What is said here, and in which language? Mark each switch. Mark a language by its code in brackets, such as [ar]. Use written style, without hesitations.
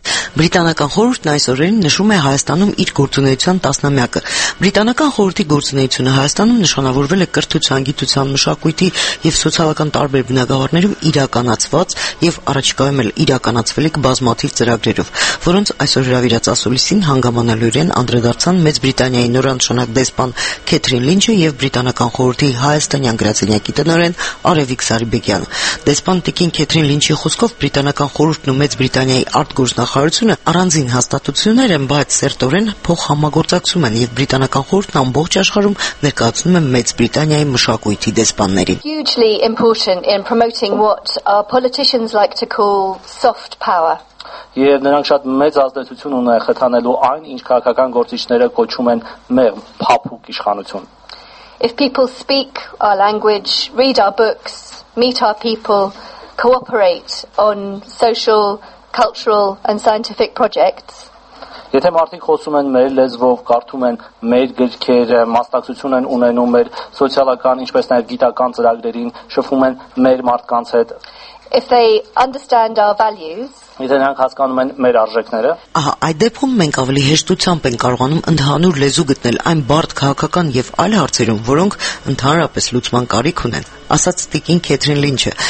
[hy] Բրիտանական խորհուրդն այսօրին նշում է Հայաստանում իր գործունեության 10-ամյակը։ Բրիտանական խորհրդի գործունեությունը Հայաստանում նշանավորվել է կրթության, գիտության, մշակույթի եւ սոցիալական տարբեր բնագավառներում իրականացված եւ առաջիկայում էլ իրականացվել է բազմաթիվ ծրագրերով, որոնց այսօր հրավիրած ասուլիսին հանգամանալուրեն անդրադարձան Մեծ Բրիտանիայի նորանշանակ դեսպան Քեթրին Լինչը եւ Բրիտանական խորհրդի հայաստանյան գրասենյակի տնօրեն Արևիկ Սարիբեկյանը։ Դեսպան Տիկին Քեթրին Լինչի խոսքով Բրիտանական խորհուրդն ու Մեծ Բրիտանիայի արտգործնախարարությունը առանձին հաստատություններ են, բայց սերտորեն փոխհամագործակցում են, եւ Բրիտանական խորհուրդն ամբողջ աշխարհում ներկայացնում է Մեծ Բրիտանիայի մշակույթի դեսպաններին։ [en] Hugely important in promoting what our politicians like to call soft power. [hy] Եվ նրանք շատ մեծ ազդեցություն ունեն խթանելու այն, ինչ քաղաքական գործիչները կոչում են մեղմ, փափուկ իշխանություն։ [en] If people speak our language, read our books, meet our people, cooperate on social, cultural and scientific projects. [hy] Եթե մարդիկ խոսում են մեր լեզվով, կարդում են մեր գրքերը, մասնակցություն են ունենում մեր սոցիալական, ինչպես նաև գիտական ծրագրերին, շփվում են մեր մարդկանց հետ. [en] If they understand our values, [hy] եթե նրանք հասկանում են մեր արժեքները, ահա այդ դեպքում մենք ավելի հեշտությամբ են կարողանում ընդհանուր լեզու գտնել այն բարդ քաղաքական եւ այլ հարցերում, որոնք ընդհանրապես լուծման կարիք ունեն, ասաց Տիկին Քեթրին Լինչը։